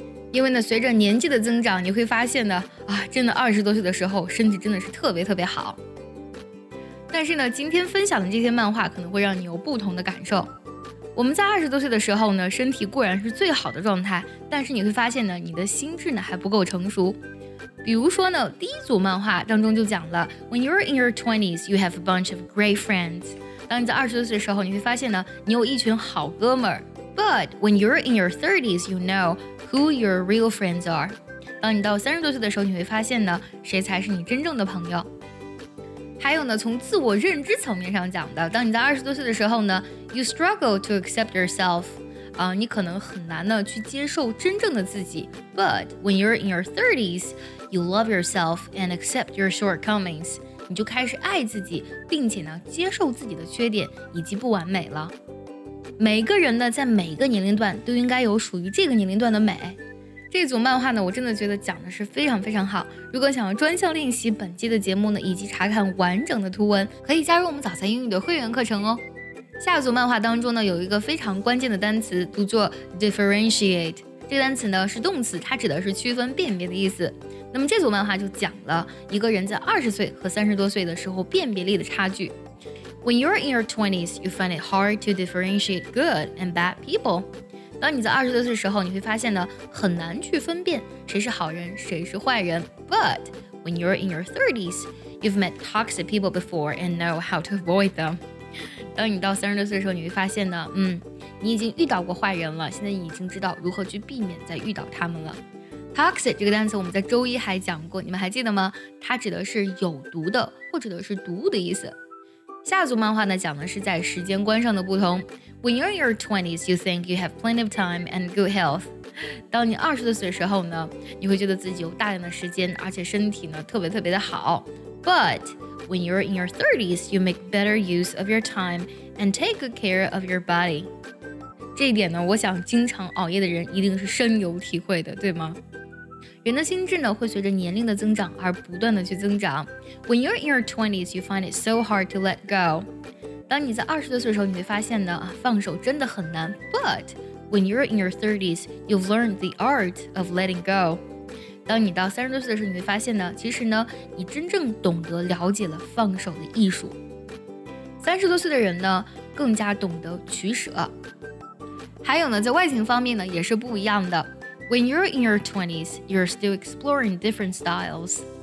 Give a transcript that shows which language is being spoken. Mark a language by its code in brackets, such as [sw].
[zh] 因为呢，随着年纪的增长，你会发现呢，真的20多岁的时候，身体真的是特别特别好。但是呢，今天分享的这些漫画可能会让你有不同的感受。我们在20多岁的时候呢，身体固然是最好的状态，但是你会发现呢，你的心智呢还不够成熟。比如说呢，第一组漫画当中就讲了 [en] When you're in your 20s, you have a bunch of great friends. [zh] 当你在20多岁的时候，你会发现呢，你有一群好哥们儿。 [en] But when you're in your 30s, you know who your real friends are. [zh] 当你到30多岁的时候，你会发现呢，谁才是你真正的朋友。还有呢，从自我认知层面上讲的，当你在20多岁的时候呢， [en] you struggle to accept yourself. [zh] 你可能很难呢去接受真正的自己。 [en] But when you're in your 30s, you love yourself and accept your shortcomings. [zh] 你就开始爱自己，并且呢接受自己的缺点以及不完美了。每个人呢在每个年龄段都应该有属于这个年龄段的美。这组漫画呢我真的觉得讲的是非常非常好。如果想要专项练习本期的节目呢以及查看完整的图文，可以加入我们早餐英语的会员课程哦。下组漫画当中呢有一个非常关键的单词读作 differentiate， 这个单词呢是动词，它指的是区分辨别的意思。那么这组漫画就讲了一个人在20岁和30多岁的时候辨别力的差距。 [en] When you're in your 20s, you find it hard to differentiate good and bad people. [zh] 当你在20多岁的时候，你会发现呢很难去分辨谁是好人谁是坏人。 [en] But when you're in your 30s, you've met toxic people before and know how to avoid them. [zh] 当你到30多岁的时候，你会发现呢，你已经遇到过坏人了，现在已经知道如何去避免再遇到他们了。 Toxic 这个单词我们在周一还讲过，你们还记得吗？它指的是有毒的或者是毒物的意思。下组漫画呢讲的是在时间观上的不同。 [en] When you're in your 20s, you think you have plenty of time and good health. [zh] 当你20多岁的时候呢，你会觉得自己有大量的时间，而且身体呢特别特别的好。 [en] But when you're in your 30s, you make better use of your time and take good care of your body. [zh] 这一点呢，我想经常熬夜的人一定是深有体会的，对吗？人的心智呢，会随着年龄的增长而不断的去增长。 [en] When you're in your 20s, you find it so hard to let go. [zh] 当你在20多岁的时候，你会发现呢，放手真的很难。 [en] But when you're in your 30s, you've learned the art of letting go. [zh] 当你到30多岁的时候，你会发现呢，其实呢，你真正懂得了解了放手的艺术。 30多岁的人呢，更加懂得取舍。还有呢，在外形方面呢，也是不一样的。 [en] When you're in your 20s, you're still exploring different styles.